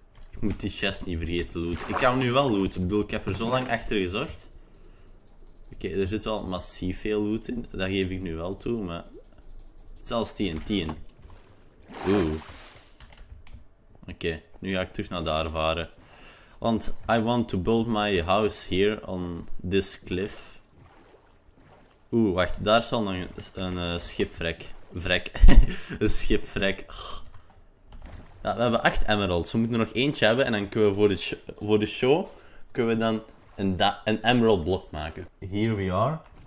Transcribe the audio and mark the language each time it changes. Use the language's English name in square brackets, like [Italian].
[Dutch] Ik moet die chest niet vergeten looten. Ik ga hem nu wel looten. Ik bedoel, ik heb er zo lang achter gezocht. Oké, er zit wel massief veel loot in. Dat geef ik nu wel toe, maar... Zelfs TNT in. Oeh. Oké, nu ga ik terug naar daar varen. [English] Want I want to build my house here on this cliff. [Dutch] Oeh, wacht, daar is wel nog een schipvrek. Vrek. Een schipvrek. Ja, we hebben 8 emeralds. We moeten er nog eentje hebben. En dan kunnen we voor de show kunnen we dan een emerald blok maken. [English] Here we are.